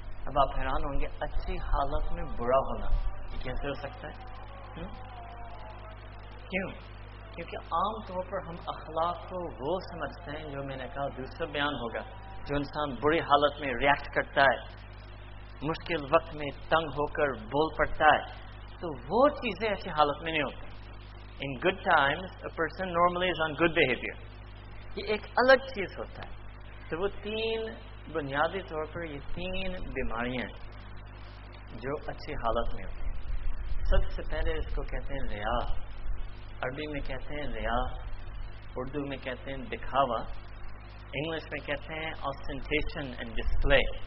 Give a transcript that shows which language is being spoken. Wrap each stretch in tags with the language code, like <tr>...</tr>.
<ur>اب آپ حیران ہوں گے, اچھی حالت میں برا ہونا کیسے ہو سکتا ہے؟ کیوں؟ کیونکہ عام طور پر ہم اخلاق کو وہ سمجھتے ہیں, جو میں نے کہا دوسرا بیان ہوگا, جو انسان بری حالت میں ریئیکٹ کرتا ہے, مشکل وقت میں تنگ ہو کر بول پڑتا ہے, تو وہ چیزیں ایسی حالت میں نہیں ہوتی.</ur> <en>In good times a person normally is on good behaviour.</en> <ur>یہ ایک الگ چیز ہوتا ہے. تو وہ تین بنیادی طور پر یہ تین بیماریاں ہیں جو اچھی حالت میں ہوتی ہیں. سب سے پہلے اس کو کہتے ہیں ریا, عربی میں کہتے ہیں ریا, اردو میں کہتے ہیں دکھاوا, انگلش میں کہتے ہیں</ur> <en>Ostentation and display.</en>